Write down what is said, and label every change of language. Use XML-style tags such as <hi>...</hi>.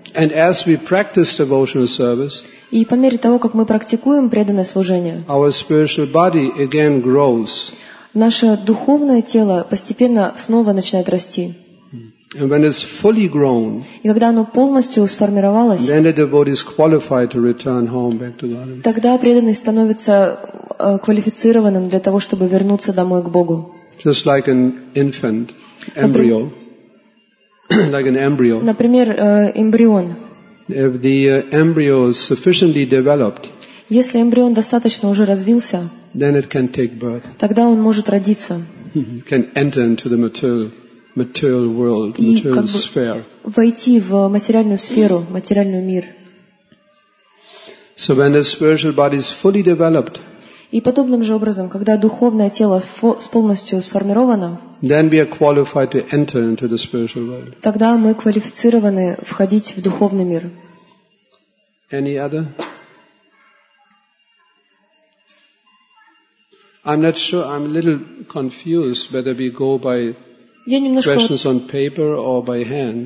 <en>And as we practice devotional service.</en> <ru>И по мере того, как мы практикуем преданное служение.</ru> <en>Our spiritual body again grows.</en> <ru>Наше духовное тело постепенно снова начинает расти.</ru> <en>And when it's fully grown.</en> <ru>И когда оно полностью сформировалось.</ru> <en>Then the devotee is qualified to return home back to God.</en> <ru>Тогда преданный становится квалифицированным для того, чтобы вернуться домой к Богу.</ru> <en>Just like an infant, embryo. Like an embryo.</en> <ru>Например, эмбрион.</ru> <en>If the embryo is sufficiently developed.</en> <ru>Если эмбрион достаточно уже развился.</ru> <en>Then it can take birth.</en> <ru>Тогда он может родиться.</ru> <en>Can enter into the material world, material sphere.</en> <ru>Войти в материальную сферу, материальный мир.</ru> <en>So when the spiritual body is fully developed.</en> <ru>И подобным же образом, когда духовное тело полностью сформировано.</ru> <en>Then we are qualified to enter into the spiritual world.</en> <ru>Тогда мы квалифицированы входить в духовный мир.</ru> <en>Any other? I'm not sure. I'm a little confused whether we go by questions on paper or by hand.</en>